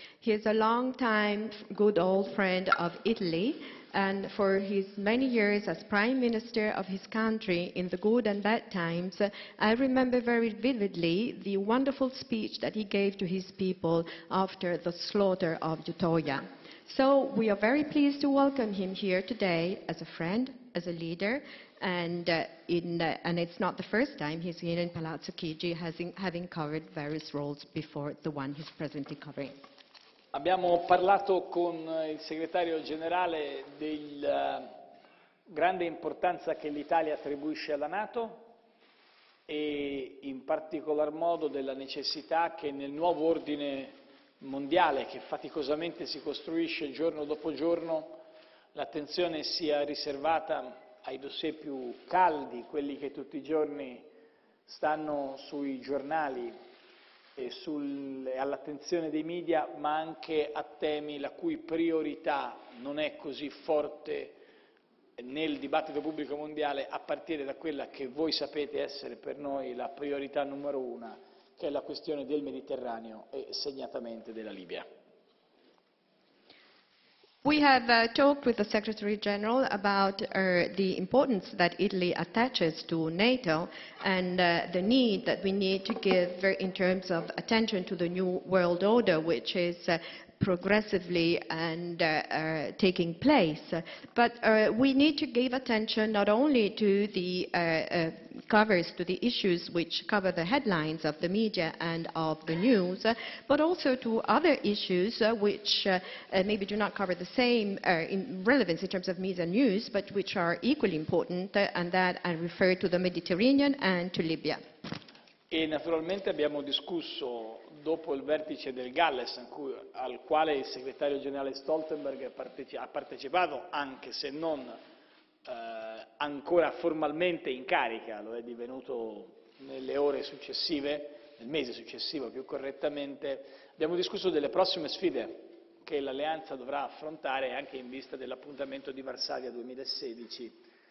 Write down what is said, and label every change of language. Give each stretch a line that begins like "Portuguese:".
English: He is a long-time good old friend of Italy, and for his many years as Prime Minister of his country in the good and bad times, I remember very vividly the wonderful speech that he gave to his people after the slaughter of Utøya. So we are very pleased to welcome him here today as a friend, as a leader, and it's not the first time he's here in Palazzo Chigi, having covered various roles before the one he's presently covering.
Italian: Abbiamo parlato con il segretario generale della grande importanza che l'Italia attribuisce alla NATO e in particolar modo della necessità che nel nuovo ordine mondiale che faticosamente si costruisce giorno dopo giorno, l'attenzione sia riservata ai dossier più caldi, quelli che tutti i giorni stanno sui giornali e all'attenzione dei media, ma anche a temi la cui priorità non è così forte nel dibattito pubblico mondiale, a partire da quella che voi sapete essere per noi la priorità numero una, che è la questione del Mediterraneo e segnatamente della Libia.
English: We have talked with the Secretary General about the importance that Italy attaches to NATO and the need that we need to give in terms of attention to the new world order, which is progressively and taking place. But we need to give attention not only to the covers, to the issues which cover the headlines of the media and of the news, but also to other issues which maybe do not cover the same in relevance in terms of media news, but which are equally important, and that I refer to the Mediterranean and to Libya.
Italian: E naturalmente abbiamo discusso dopo il vertice del Galles, al quale il segretario generale Stoltenberg ha partecipato, anche se non ancora formalmente in carica, lo è divenuto nelle ore successive, nel mese successivo più correttamente, abbiamo discusso delle prossime sfide che l'Alleanza dovrà affrontare anche in vista dell'appuntamento di Varsavia 2016.